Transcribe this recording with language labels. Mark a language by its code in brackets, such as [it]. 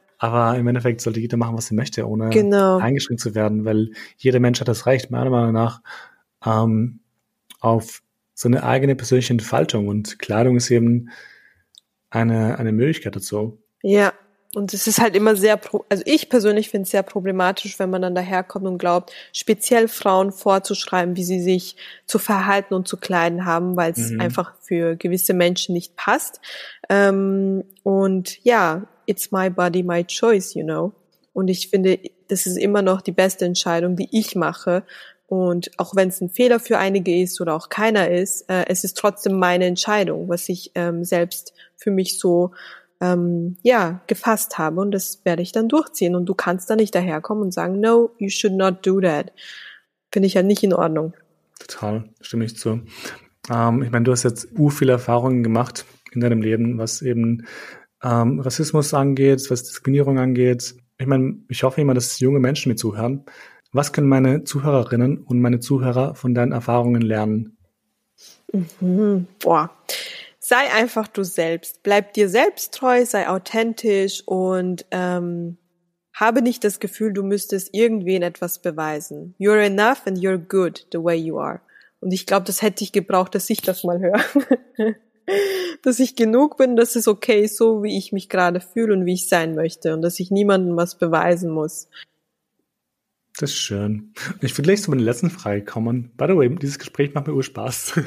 [de] Aber im Endeffekt sollte jeder machen, was er möchte, ohne eingeschränkt zu werden, weil jeder Mensch hat das Recht, meiner Meinung nach, auf so eine eigene persönliche Entfaltung, und Kleidung ist eben eine Möglichkeit dazu. Ja, und es ist halt immer sehr, also ich persönlich finde es sehr problematisch, wenn man dann daherkommt und glaubt, speziell Frauen vorzuschreiben, wie sie sich zu verhalten und zu kleiden haben, weil es einfach für gewisse Menschen nicht passt. Und ja, [en] it's my body, my choice, you know. [de] Und ich finde, das ist immer noch die beste Entscheidung, die ich mache. Und auch wenn es ein Fehler für einige ist oder auch keiner ist, es ist trotzdem meine Entscheidung, was ich selbst für mich so gefasst habe. Und das werde ich dann durchziehen. Und du kannst da nicht daherkommen und sagen, [en] no, you should not do that. [de] Finde ich ja nicht in Ordnung. Total, stimme ich zu. Ich meine, du hast jetzt urviele Erfahrungen gemacht in deinem Leben, was eben Rassismus angeht, was Diskriminierung angeht. Ich meine, ich hoffe immer, dass junge Menschen mir zuhören. Was können meine Zuhörerinnen und meine Zuhörer von deinen Erfahrungen lernen? Sei einfach du selbst. Bleib dir selbst treu, sei authentisch und habe nicht das Gefühl, du müsstest irgendwen etwas beweisen. [en] You're enough and you're good the way you are. [de] Und ich glaube, das hätte ich gebraucht, dass ich das mal höre. Dass ich genug bin, dass es okay ist, so wie ich mich gerade fühle und wie ich sein möchte und dass ich niemandem was beweisen muss. Das ist schön. Ich würde gleich zu meiner letzten Frage kommen. [en] By the way, [de] dieses Gespräch macht mir Urspaß.